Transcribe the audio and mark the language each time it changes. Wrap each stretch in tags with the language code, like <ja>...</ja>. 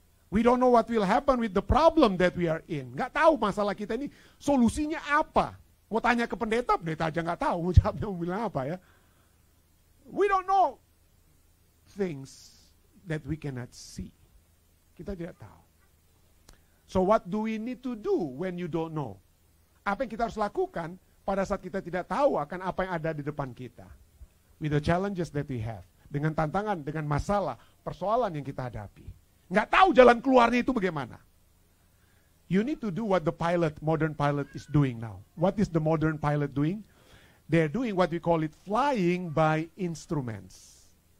<en>We don't know what will happen with the problem that we are in.</en> <id>Gak tahu masalah kita ini solusinya apa. Mau tanya ke pendeta, pendeta aja gak tahu. Mau jawabnya mau bilang apa ya.</id> <en>We don't know things that we cannot see.</en> <id>Kita tidak tahu.</id> <en>So what do we need to do when you don't know?</en> <id>Apa yang kita harus lakukan pada saat kita tidak tahu akan apa yang ada di depan kita?</id> <en>With the challenges that we have.</en> <id>Dengan tantangan, dengan masalah, persoalan yang kita hadapi. Nggak tahu jalan keluarnya itu bagaimana.</id> <en>You need to do what the pilot, modern pilot is doing now. What is the modern pilot doing? They're doing what we call it flying by instruments.</en>